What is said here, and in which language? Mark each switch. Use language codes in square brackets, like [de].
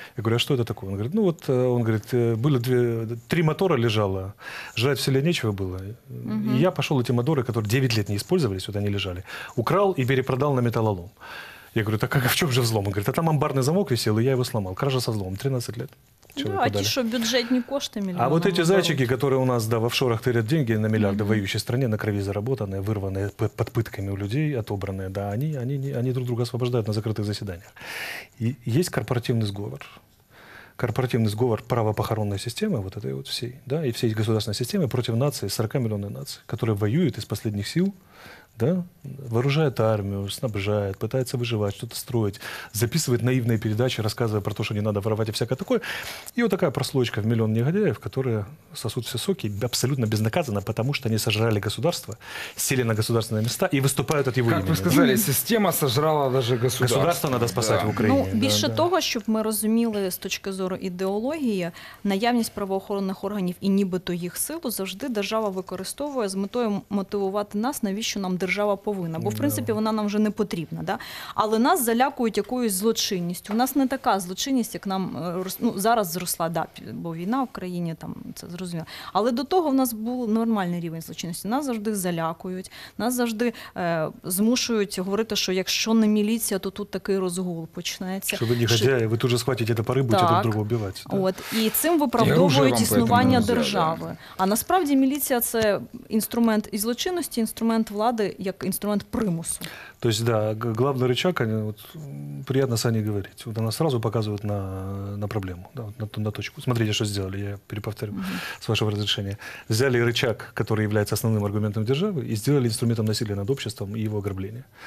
[ru] Я говорю, а что это такое? Он говорит, ну вот, он говорит, были 3 мотора лежало, жрать в селе нечего было. Mm-hmm. И я пошел эти моторы, которые 9 лет не использовались, вот они лежали, украл и перепродал на металлолом. Я говорю, так в чем же взлом? Он говорит, а там амбарный замок висел, и я его сломал. Кража со взломом, 13 лет. [uk] Да, а ті, що бюджетні кошти мільйони. [ru] А вот эти зайчики, которые у нас, да, в офшорах тырять деньги на миллиарды, mm-hmm. воюющей стране, на крови заработанные, вырванные под пытками у людей, отобранные, да, они друг друга освобождают на закрытых заседаниях. И есть корпоративный сговор. Корпоративный сговор правопохоронной системы, вот этой вот всей, да, и всей государственной системы против нации, 40 миллионов наций, которые воюют из последних сил, да, вооружает армию, снабжает, пытается выживать, что-то строить, записывает наивные передачи, рассказывая про то, что не надо воровать и всякое такое. И вот такая прослоечка в миллион негодяев, которые сосут все соки абсолютно безнаказанно, потому что они сожрали государство, сели на государственные места и выступают от его имени. Как вы сказали, система сожрала даже государство. Государство надо спасать в Украине. [uk] Ну, більше того, щоб ми розуміли з точки зору ідеології, наявність правоохоронних органів і нібито їх силу завжди держава використовує з метою мотивувати нас, навіщо нам держава повинна. Бо, в принципі, вона нам вже не потрібна. Да? Але нас залякують якоюсь злочинністю. У нас не така злочинність, як нам ну, зараз зросла, да, бо війна в країні, там, це зрозуміло. Але до того в нас був нормальний рівень злочинності. Нас завжди залякують, нас завжди змушують говорити, що якщо не міліція, то тут такий розгул почнеться. Що ви негодяї, ви тут же схватите топори, будете друг друга вбивати. Да? От, і цим виправдовують існування держави. А насправді міліція – це інструмент і злочинності, інструмент влади, як інструмент примусу. [ru] То есть, да, главный рычаг, они, вот, приятно с Аней говорить, вот она сразу показывает на проблему, да, на точку. Смотрите, что сделали, я переповторю с вашего разрешения. Взяли рычаг, который является основным аргументом державы, и сделали инструментом насилия над обществом и его ограбления.